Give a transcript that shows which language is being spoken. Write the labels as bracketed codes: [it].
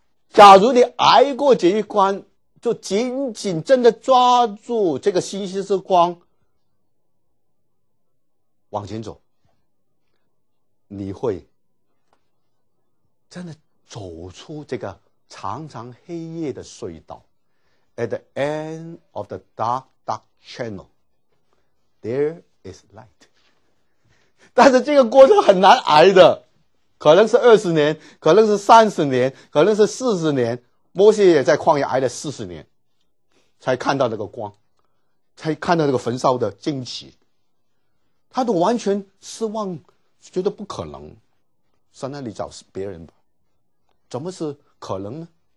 [zh] 假如你挨过这一关，就紧紧真的抓住这个信心之光往前走，你会真的走出这个长长黑夜的隧道。 [en] At the end of the dark, dark channel, there is light. [zh] 但是这个过程很难挨的，可能是20年，可能是30年，可能是40年，摩西也在旷野挨了40年，才看到那个光，才看到那个焚烧的荆棘，他都完全失望，觉得不可能，上那里找别人吧，怎么是可能呢？